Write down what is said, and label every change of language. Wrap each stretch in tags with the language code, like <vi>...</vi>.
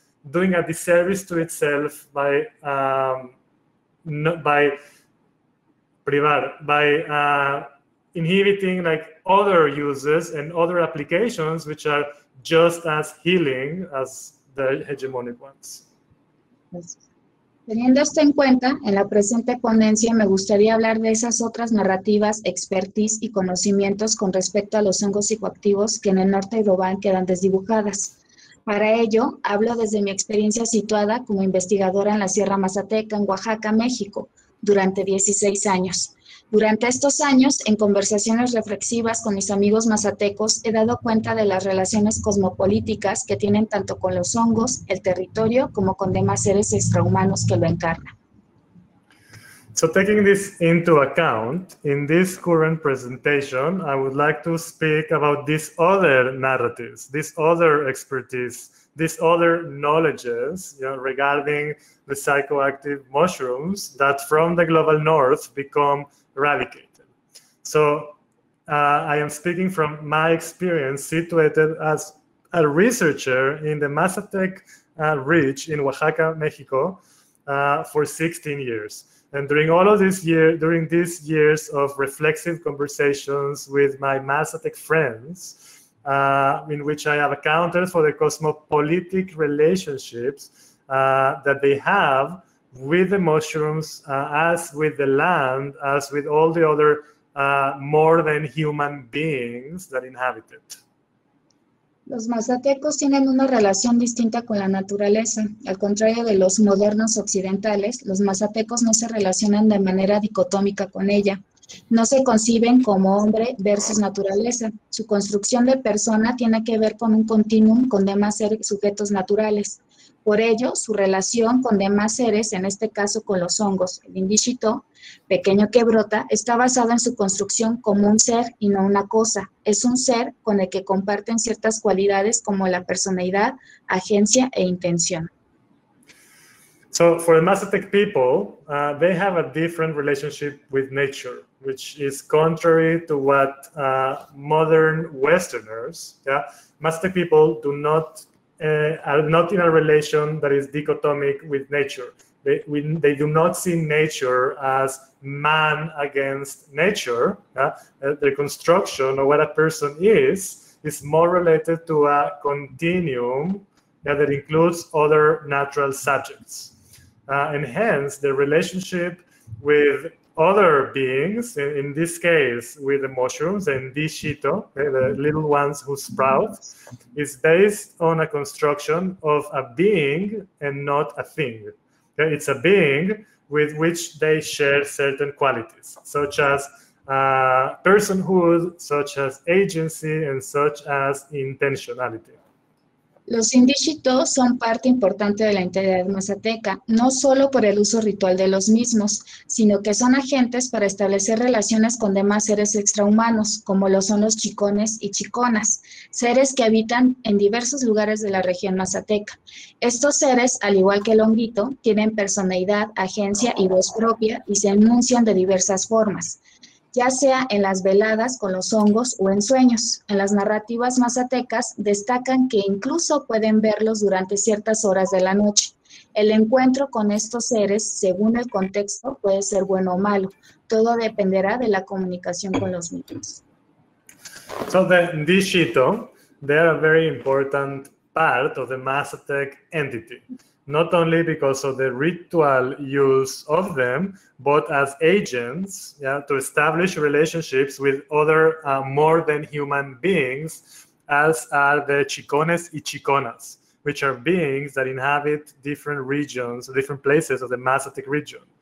<en>doing a disservice to itself by inhibiting like other uses and other applications which are just as healing as the hegemonic ones. Yes.</en> <es>Teniendo esto en cuenta, en la presente ponencia me gustaría hablar de esas otras narrativas, expertise y conocimientos con respecto a los hongos psicoactivos que en el norte global quedan desdibujadas. Para ello, hablo desde mi experiencia situada como investigadora en la Sierra Mazateca, en Oaxaca, México, durante 16 años. Durante estos años, en conversaciones reflexivas con mis amigos mazatecos, he dado cuenta de las relaciones cosmopolíticas que tienen tanto con los hongos, el territorio, como con demás seres extrahumanos que lo encarnan.</es> <en>So taking this into account, in this current presentation, I would like to speak about these other narratives, these other expertise, these other knowledges, you know, regarding the psychoactive mushrooms that from the global north become eradicated. So I am speaking from my experience situated as a researcher in the Mazatec Ridge in Oaxaca, Mexico, for 16 years. And during all of this year, during these years of reflexive conversations with my Mazatec friends, in which I have accounted for the cosmopolitic relationships that they have with the mushrooms, as with the land, as with all the other more than human beings that inhabit it.</en> <es>Los mazatecos tienen una relación distinta con la naturaleza. Al contrario de los modernos occidentales, los mazatecos no se relacionan de manera dicotómica con ella. No se conciben como hombre versus naturaleza. Su construcción de persona tiene que ver con un continuum con demás seres sujetos naturales. Por ello, su relación con demás seres, en este caso con los hongos, el indichito, pequeño que brota, está basada en su construcción como un ser y no una cosa. Es un ser con el que comparten ciertas cualidades como la personalidad, agencia e intención.</es> <en>So, for the Mazatec people, they have a different relationship with nature, which is contrary to what modern Westerners, Mazatec people do not, are not in a relation that is dichotomic with nature. They do not see nature as man against nature. The construction of what a person is more related to a continuum that includes other natural subjects. And hence, the relationship with other beings, in this case with the mushrooms and the shito, the little ones who sprout, is based on a construction of a being and not a thing. It's a being with which they share certain qualities, such as personhood, such as agency, and such as intentionality.</en> <es>Los indichito son parte importante de la identidad mazateca, no solo por el uso ritual de los mismos, sino que son agentes para establecer relaciones con demás seres extrahumanos, como lo son los chicones y chiconas, seres que habitan en diversos lugares de la región mazateca. Estos seres, al igual que el honguito, tienen personalidad, agencia y voz propia y se enuncian de diversas formas. ya sea en las veladas con los hongos o en sueños. En las narrativas mazatecas destacan que incluso pueden verlos durante ciertas horas de la noche. El encuentro con estos seres, según el contexto, puede ser bueno o malo. Todo dependerá de la comunicación con los mismos.</es> <en>So the Dishito, they are a very important part of the Mazatec entity, not only because of the ritual use of them, but as agents, yeah, to establish relationships with other more than human beings, as are the Chicones y Chiconas, which are beings that inhabit different regions, different places of the Mazatec region.</en>